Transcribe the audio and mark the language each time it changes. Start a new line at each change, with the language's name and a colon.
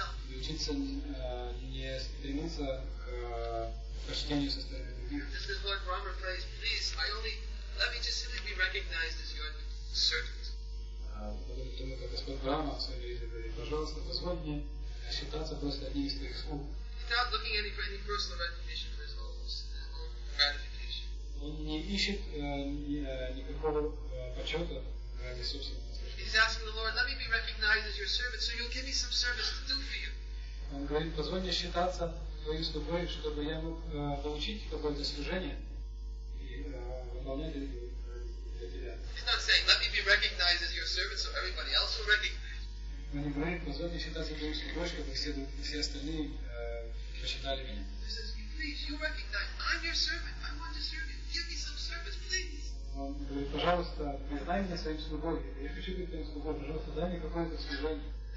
Russian: И учиться не стремиться к почтению со стороны других.
English: This is what Rama prays, please, I only, let me just simply be recognized as your servant.
Russian: Потому что Господь Брама в своей жизни говорит, пожалуйста, позволь мне считаться просто одним из твоих слуг.
English: Without looking any for any personal recognition for his own gratification.
Russian: Он не ищет никакого почета ради собственного.
English: He's asking the Lord, let me be recognized as your servant, so you'll give me some service to do for you.
Russian: Он говорит, позволь мне считаться твоим слугой, чтобы я мог получить какое-то служение и выполнять для тебя.
English: He's not saying, let me be recognized as your servant, so everybody else will recognize.
Russian: Он не говорит, позволь мне считаться твоим слугой, чтобы все остальные почитали меня.
English: He says, please, you recognize, I'm your servant, I want to serve you, give me some service, please.
Russian: Он говорит, пожалуйста, признай меня своим слугой. Я хочу быть твоим слугой. Пожалуйста, дай мне какое-то служение.